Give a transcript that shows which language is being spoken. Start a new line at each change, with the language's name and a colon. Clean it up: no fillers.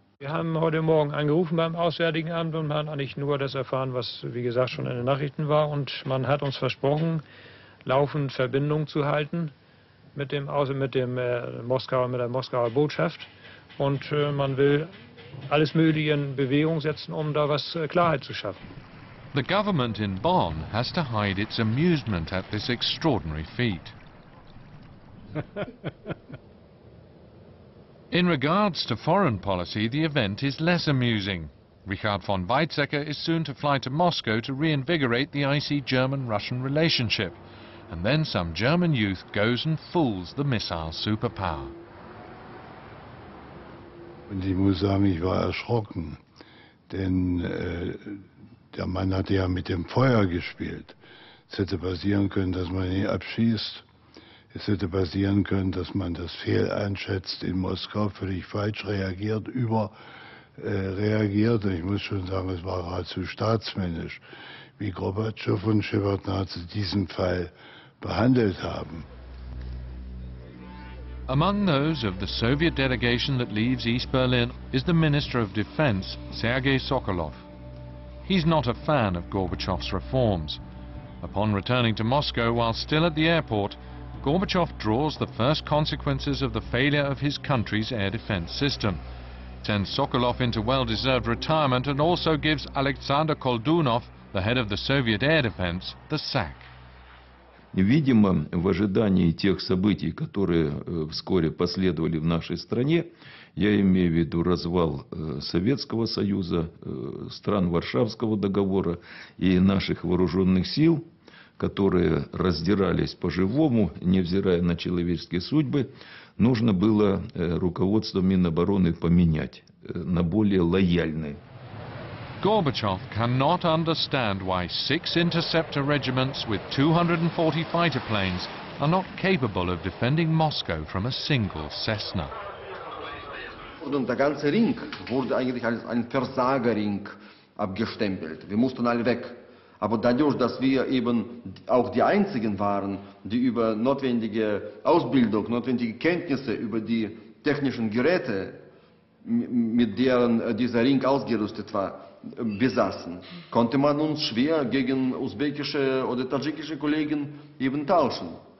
German: Wir haben heute Morgen angerufen beim Auswärtigen Amt und haben eigentlich nur das erfahren, was wie gesagt schon in den Nachrichten war. Und man hat uns versprochen, laufend Verbindung zu halten mit der Moskauer Botschaft. Und man will alles Mögliche in Bewegung setzen, um da was Klarheit zu schaffen.
English: The government in Bonn has to hide its amusement at this extraordinary feat. In regards to foreign policy, the event is less amusing. Richard von Weizsäcker is soon to fly to Moscow to reinvigorate the icy German-Russian relationship. And then some German youth goes and fools the missile superpower.
German: Und ich muss sagen, ich war erschrocken, denn der Mann hatte ja mit dem Feuer gespielt. Es hätte passieren können, dass man ihn abschießt. Es hätte passieren können, dass man das fehl einschätzt in Moskau, völlig falsch reagiert, überreagiert. Und ich muss schon sagen, es war geradezu staatsmännisch, wie Gorbatschow und Schewardnadze diesen Fall behandelt haben.
English: Among those of the Soviet delegation that leaves East Berlin is the Minister of Defense, Sergei Sokolov. He's not a fan of Gorbachev's reforms. Upon returning to Moscow while still at the airport, Gorbachev draws the first consequences of the failure of his country's air defense system, sends Sokolov into well-deserved retirement, and also gives Alexander Koldunov, the head of the Soviet air defense, the sack.
Russian: Видимо, в ожидании тех событий, которые вскоре последовали в нашей стране, я имею в виду развал Советского Союза, стран Варшавского договора и наших вооруженных сил, которые раздирались по-живому, невзирая на человеческие судьбы, нужно было руководство Минобороны поменять на более лояльное.
English: Gorbachev cannot understand why 6 interceptor regiments with 240 fighter planes are not capable of defending Moscow from a single Cessna.
German: Und der ganze Ring wurde eigentlich als ein Versagerring abgestempelt. Wir mussten alle weg. Aber dadurch, dass wir eben auch die einzigen waren, die über notwendige Ausbildung, notwendige Kenntnisse über die technischen Geräte, mit deren dieser Ring ausgerüstet war, besassen, konnte man uns schwer gegen usbekische oder tadschikische Kollegen eben tauschen.